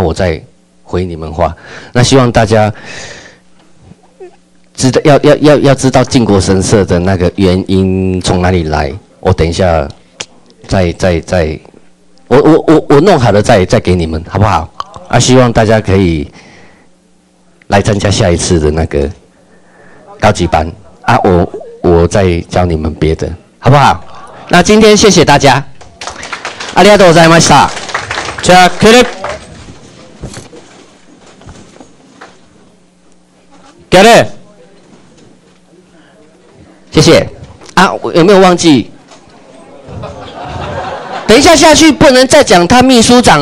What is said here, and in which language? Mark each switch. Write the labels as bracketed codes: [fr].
[zh] 我再回你们话，那希望大家知道要知道靖国神社的那个原因从哪里来，我等一下再。我弄好了再给你们，好不好？啊，希望大家可以来参加下一次的那个高级班啊，我再教你们别的，好不好？那今天谢谢大家， [ja] ありがとうございました。じゃあ、クル、クル、 [zh] 谢谢啊，有没有忘记？等一下下去不能再讲他秘书长。